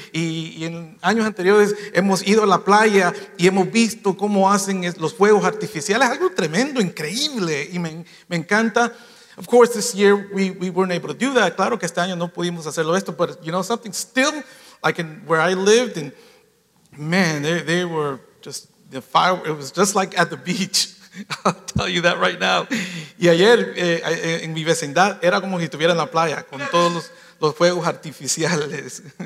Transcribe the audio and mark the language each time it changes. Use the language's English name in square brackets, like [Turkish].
[Spanish] Y en años anteriores hemos ido a la playa y hemos visto cómo hacen los fuegos artificiales. Algo tremendo, increíble, y me encanta. [English] Of course, this year we weren't able to do that. [Spanish] Claro que este año no pudimos hacerlo esto, [English] but you know something? Still, like in where I lived, and man, they were just the fire. It was just like at the beach. I'll tell you that right now. [Spanish] Y ayer en mi vecindad era como si estuviera en la playa con todos los fuegos artificiales.